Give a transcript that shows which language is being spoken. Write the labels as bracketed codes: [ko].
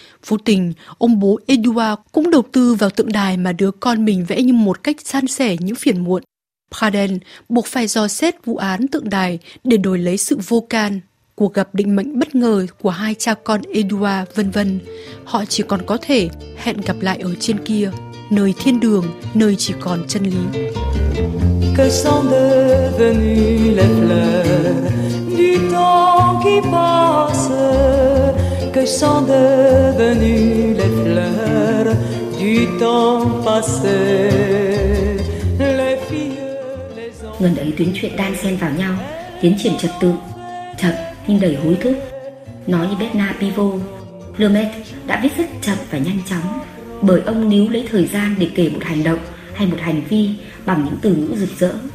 [vi] Vô tình, ông bố Edouard cũng đầu tư vào tượng đài mà đứa con mình vẽ như một cách san sẻ những phiền muộn. Pradel buộc phải dò xét vụ án tượng đài để đổi lấy sự vô can. Cuộc gặp định mệnh bất ngờ của hai cha con Edouard vân vân. Họ chỉ còn có thể hẹn gặp lại ở trên kia, nơi thiên đường, nơi chỉ còn chân lý. [fr] Que sont devenus les fleurs du temps qui passe? Que sont devenus les fleurs du temps passé? [vi] Ngần ấy tuyến chuyện đan xen vào nhau, tiến triển trật tự, chậm nhưng đầy hối thúc. Nói như Bernard Pivot, Lemaitre đã viết rất chậm và nhanh chóng, bởi ông níu lấy thời gian để kể một hành động hay một hành vi bằng những từ ngữ rực rỡ.